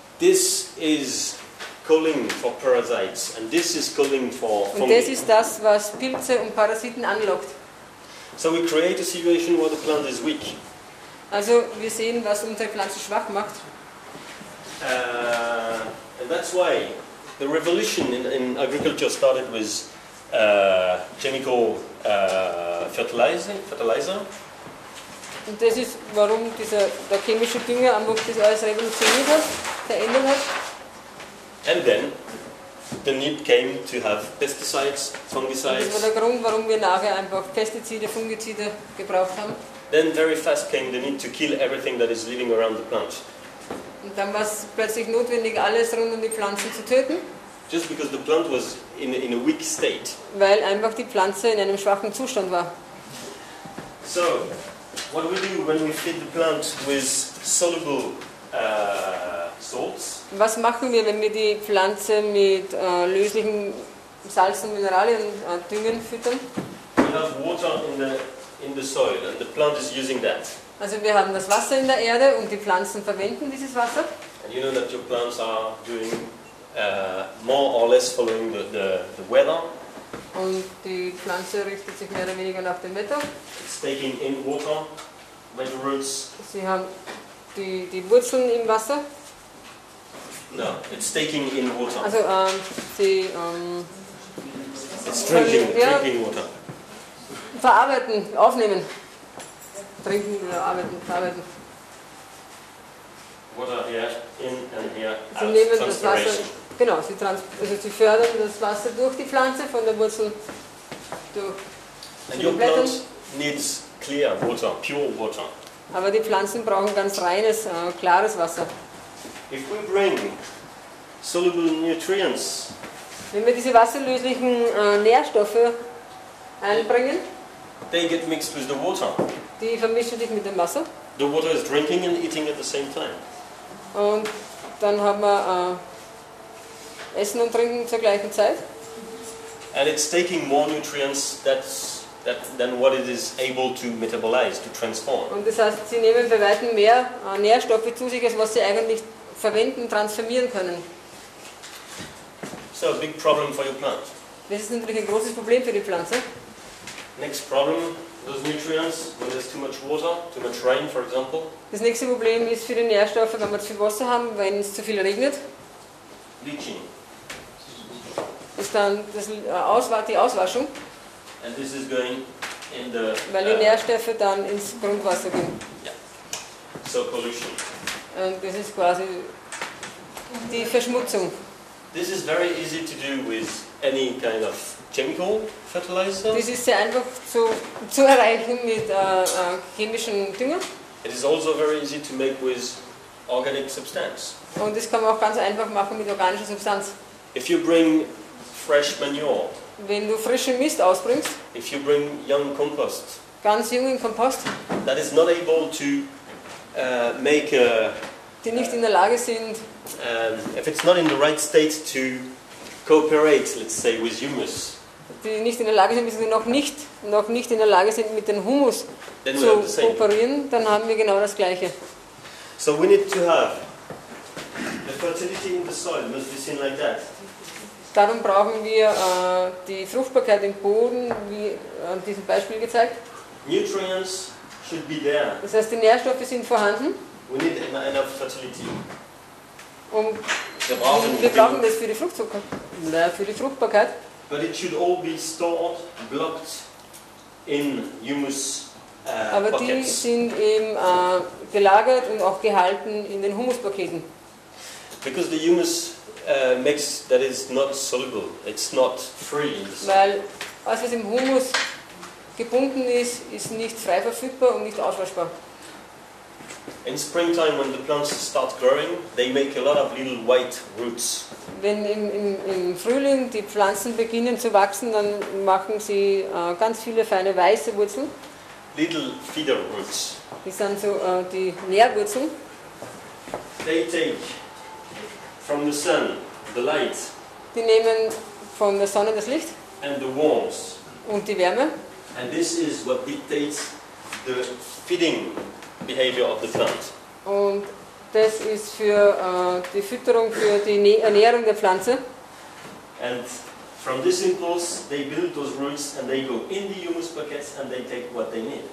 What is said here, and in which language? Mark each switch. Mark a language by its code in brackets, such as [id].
[en] This is calling for parasites, and this is calling for fungi. [de] Und das ist das, was Pilze und Parasiten anlockt. [en] So we create a situation where the plant is weak. [de] Also wir sehen, was unsere Pflanze schwach macht. [en] And that's why the revolution in agriculture started with chemical fertilizer. [de] Und das ist, warum der chemische Dünger einfach das alles revolutioniert hat, verändert hat. [en] And then the need came to have pesticides, fungicides. [de] Das war der Grund, warum wir nachher einfach Pestizide, Fungizide gebraucht haben. [en] Then very fast came the need to kill everything that is living around the plant. [de] Und dann war es plötzlich notwendig, alles rund um die Pflanzen zu töten. [en] Just because the plant was in a weak state. [de] Weil einfach die Pflanze in einem schwachen Zustand war. [en] So, what we do when we feed the plant with soluble salts? [de] Was machen wir, wenn wir die Pflanze mit löslichen Salzen, Mineralien, Düngen füttern? [en] We have water in the soil and the plant is using that. [de] Also wir haben das Wasser in der Erde und die Pflanzen verwenden dieses Wasser. [en] And you know that your plants are doing more or less following the weather. [de] Und die Pflanze richtet sich mehr oder weniger nach dem Wetter. [en] It's taking in water by the roots. [de] Sie haben die Wurzeln im Wasser. [en] No, it's taking in water. [de] Also [en] it's drinking water. [de] Verarbeiten, aufnehmen. Trinken oder verarbeiten. [en] Water here in and here. [de] Sie nehmen das Wasser. Genau, sie fördern das Wasser durch die Pflanze von der Wurzel durch. [en] And your plant needs clear water, pure water. [de] Aber die Pflanzen brauchen ganz reines, klares Wasser. [en] If we bring soluble nutrients, [de] wenn wir diese wasserlöslichen Nährstoffe einbringen, [en] they get mixed with the water. [de] Die vermischen sich mit dem Wasser. [en] The water is drinking and eating at the same time. [de] Und dann haben wir Essen und Trinken zur gleichen Zeit. [en] and it's taking more nutrients than what it is able to metabolize, to transform. [de] Und das heißt, sie nehmen bei weitem mehr Nährstoffe zu sich, als was sie eigentlich verwenden, transformieren können. [en] So, a big problem for your plant. [de] Das ist natürlich ein großes Problem für die Pflanze. [en] Next problem, those nutrients, when there's too much water, too much rain, for example. [de] Das nächste Problem ist für die Nährstoffe, wenn wir zu viel Wasser haben, wenn es zu viel regnet. [en] Leaching. [de] Ist dann das die Auswaschung. [en] And this is going in the... [de] Weil die Nährstoffe dann ins Grundwasser gehen. [en] Ja. So, pollution. [de] Und das ist quasi die Verschmutzung. [en] This is very easy to do with any kind of chemical fertilizer. [de] Das ist sehr einfach zu erreichen mit chemischen Dünger. [en] It is also very easy to make with organic substance. [de] Und das kann man auch ganz einfach machen mit organischer Substanz. [en] If you bring fresh manure. [de] Wenn du frischen Mist ausbringst. [en] If you bring young compost. [de] Ganz jungen Kompost. [en] That is not able to make a. [de] Die nicht in der Lage sind. [en] If it's not in the right state to cooperate, let's say, with humus. [de] Die nicht in der Lage sind, die noch nicht in der Lage sind, mit dem Humus zu kooperieren, dann haben wir genau das Gleiche. [en] So we need to have the fertility in the soil must be seen like that. [de] Darum brauchen wir die Fruchtbarkeit im Boden, wie an diesem Beispiel gezeigt. [en] Nutrients should be there. [de] Das heißt, die Nährstoffe sind vorhanden. [en] We need enough fertility. [de] Wir brauchen das für die Fruchtbarkeit. [en] But it should all be stored, blocked in humus [de] Aber [en] pockets. [de] Die sind eben gelagert und auch gehalten in den Humuspaketen. [en] Because the humus makes that is not soluble. It's not free. [de] Weil alles, was im Humus gebunden ist, ist nicht frei verfügbar und nicht auswaschbar. [en] In springtime, when the plants start growing, they make a lot of little white roots. [de] Wenn im Frühling die Pflanzen beginnen zu wachsen, dann machen sie ganz viele feine weiße Wurzeln. [en] Little feeder roots. [de] Die sind so die Nährwurzeln. [en] They take from the sun the light. [de] Die nehmen von der Sonne das Licht. [en] And the warmth. [de] Und die Wärme. [en] And this is what dictates the feeding behavior of the plant. [de] Und das ist für die Fütterung, für die Ernährung der Pflanze. [en] And from this impulse, they build those roots and they go in the humus pockets and they take what they need.